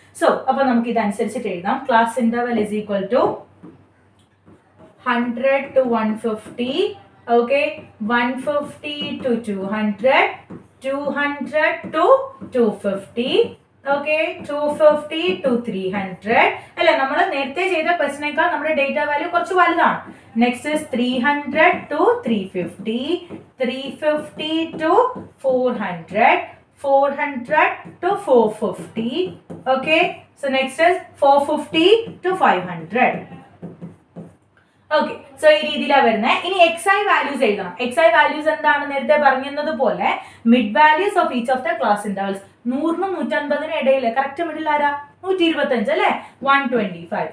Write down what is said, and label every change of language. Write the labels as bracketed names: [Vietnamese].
[Malayalam] So അപ്പൊ നമുക്ക് ഇതനുസരിച്ചിട്ട് എഴുതാം, [English] Class interval is equal to 100 to 150. Okay, 150 to 200, 200 to 250, okay, 250 to 300 അല്ലെ. [Malayalam] നമ്മൾ നേരത്തെ ചെയ്ത ക്വസ്റ്റിനേക്കാൾ നമ്മുടെ ഡേറ്റ വാല്യൂ കുറച്ച് വലുതാണ്. [English] Next is 300 to 350, 350 to 400, 400 to 450. Okay, so next is 450 to 500. [Malayalam] Okay, so ഈ രീതിയിലാണ് വരുന്നത്. ഇനി XI വാല്യൂസ് എഴുതണം. XI വാല്യൂസ് എന്താണ്, നേരത്തെ പറഞ്ഞത് പോലെ [English] Mid values of each of the class intervals. [Malayalam] 100-150 ഇടയിൽ കറക്റ്റ് മിഡിൽ ആരാ, 125 അല്ലെ, 125.